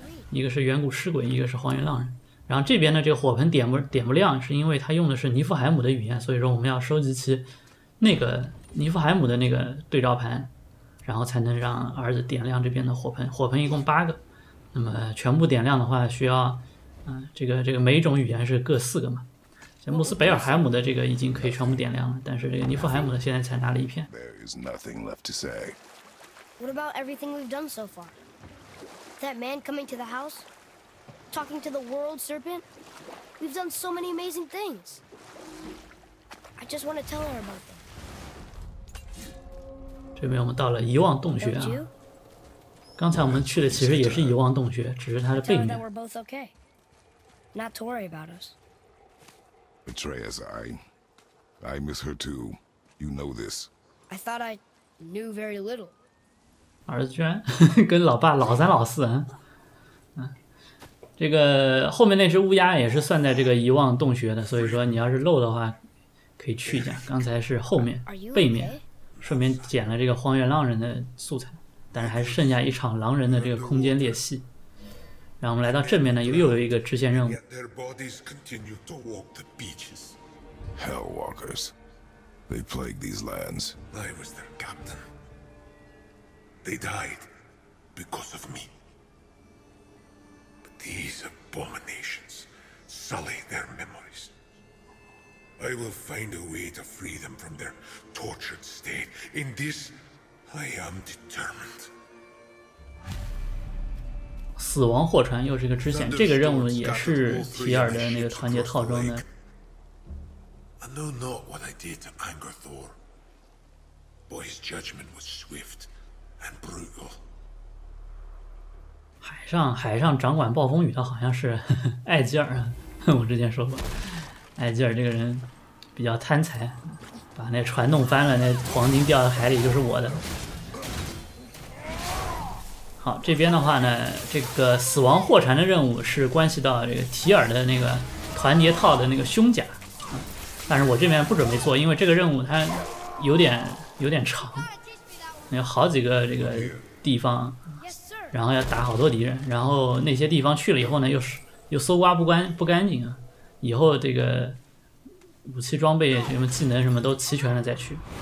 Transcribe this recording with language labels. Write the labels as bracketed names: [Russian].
[Chinese] 一个是远古尸鬼，一个是荒原浪人。然后这边的这个火盆点不亮，是因为他用的是尼夫海姆的语言，所以说我们要收集其那个尼夫海姆的那个对照盘，然后才能让儿子点亮这边的火盆。火盆一共八个，那么全部点亮的话需要这个每一种语言是各四个嘛。穆斯贝尔海姆的这个已经可以全部点亮了，但是这个尼夫海姆的现在才拿了一片。 [English] There is nothing left to say. What about everything we've done so far? That man coming to the house, talking to the world serpent. We've done so many amazing things. I just want to tell her about them. [Chinese] 这边我们到了遗忘洞穴啊。刚才我们去的其实也是遗忘洞穴，只是它的背面。 [English] Tell her that we're both okay. Not to worry about us. Atreus, I miss her too. You know this. I thought I knew very little. [Chinese] 儿子居然跟老爸老三老四，嗯，这个后面那只乌鸦也是算在这个遗忘洞穴的，所以说你要是漏的话，可以去一下。刚才是后面背面，顺便捡了这个荒原狼人的素材，但是还剩下一场狼人的这个空间裂隙。然后我们来到正面呢，又有一个支线任务。 [English] Their bodies continue to walk the beaches. Hellwalkers, they plague these lands. I was their captain. They died because of me. But these abominations sully their memories. I will find a way to free them from their tortured state. In this, I am determined. [Chinese] 死亡货船又是一个支线，这个任务也是提尔的那个团结套中的。 [English] I know not what I did to anger Thor, but his judgment was swift and brutal. [Chinese] 海上掌管暴风雨的好像是艾吉尔，我之前说过，艾吉尔这个人比较贪财，把那船弄翻了，那黄金掉到海里就是我的。好，这边的话呢，这个死亡货船的任务是关系到这个提尔的那个团结套的那个胸甲，但是我这边不准备做，因为这个任务它有点长，有好几个这个地方，然后要打好多敌人，然后那些地方去了以后呢，又搜刮不干净啊，以后这个武器装备什么技能什么都齐全了再去。